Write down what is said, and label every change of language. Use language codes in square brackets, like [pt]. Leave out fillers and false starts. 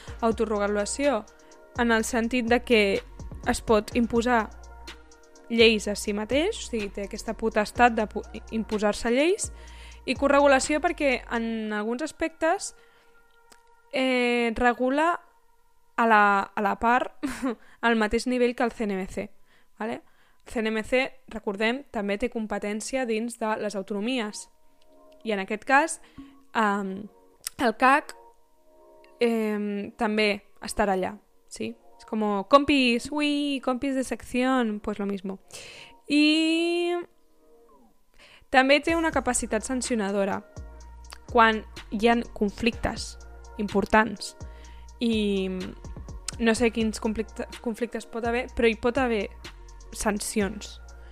[ca] Autorregulació en el sentit de que es pot imposar lleis a si mateix, o sigui, té aquesta potestat d'imposar-se lleis, i corregulació perquè en alguns aspectes regula a la part al mateix nivell que el CNMC. ¿Vale? El CNMC, recordem, també té competència dins de les autonomies, i en aquest cas el CAC també estarà allà, sí? [es] Como compis, uy, compis de sección, pues lo mismo. [ca] Y també té una capacitat sancionadora quan hi han conflictes importants. I no sé quins conflictes pot haver, però hi pot haver sancions.